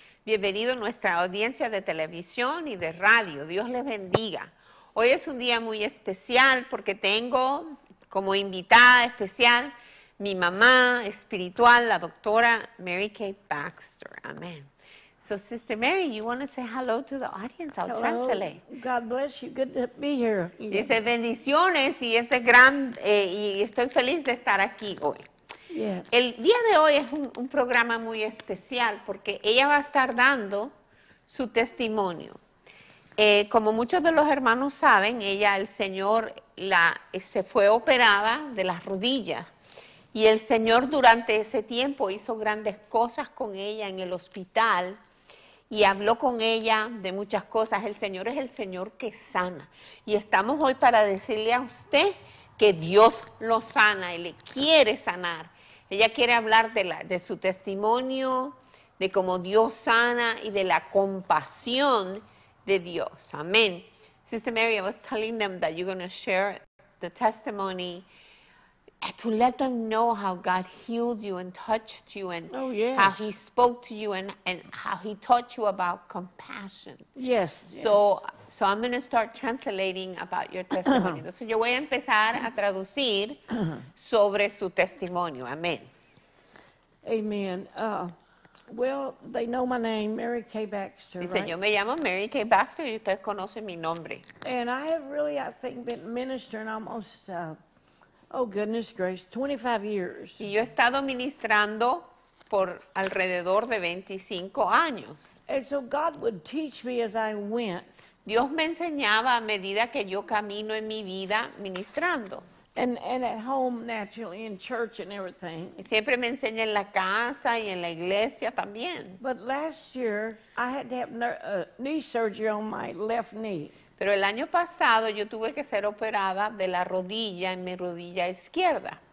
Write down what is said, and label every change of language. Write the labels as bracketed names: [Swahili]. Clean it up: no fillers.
[Spanish] Bienvenido a nuestra audiencia de televisión y de radio. Dios les bendiga. Hoy es un día muy especial porque tengo como invitada especial mi mamá espiritual, la doctora Mary Kay Baxter. Amén. [English] So, Sister Mary, you want to say hello to the audience? I'll translate. God bless you. Good to be here. [Spanish] Dice bendiciones y ese gran y estoy feliz de estar aquí hoy. [English] Yes. [Spanish] El día de hoy es un programa muy especial porque ella va a estar dando su testimonio. Como muchos de los hermanos saben, ella, el Señor, se fue operada de las rodillas. Y el Señor durante ese tiempo hizo grandes cosas con ella en el hospital y habló con ella de muchas cosas. El Señor es el Señor que sana. Y estamos hoy para decirle a usted que Dios lo sana y le quiere sanar. Ella quiere hablar de su testimonio, de cómo Dios sana y de la compasión de Dios. Amén. [English] Sister Mary, I was telling them that you're going to share the testimony to let them know how God healed you and touched you and how he spoke to you and how he taught you about compassion. Yes. So I'm going to start translating about your testimony. [Spanish] Entonces yo voy a empezar a traducir sobre su testimonio. Amén. [English] Amen. Well, they know my name, Mary Kay Baxter. [Spanish] Dice, yo me llamo Mary Kay Baxter y ustedes conocen mi nombre. [English] And I have really, I think, been ministering almost oh, goodness gracious, 25 years. [Spanish] Y yo he estado ministrando por alrededor de 25 años. [English] And so God would teach me as I went. [Spanish] Dios me enseñaba a medida que yo camino en mi vida ministrando. [English] And at home, naturally, in church and everything. [Spanish] Y siempre me enseña en la casa y en la iglesia también. [English] But last year, I had to have knee surgery on my left knee. [Spanish] Pero el año pasado yo tuve que ser operada de la rodilla en mi rodilla izquierda.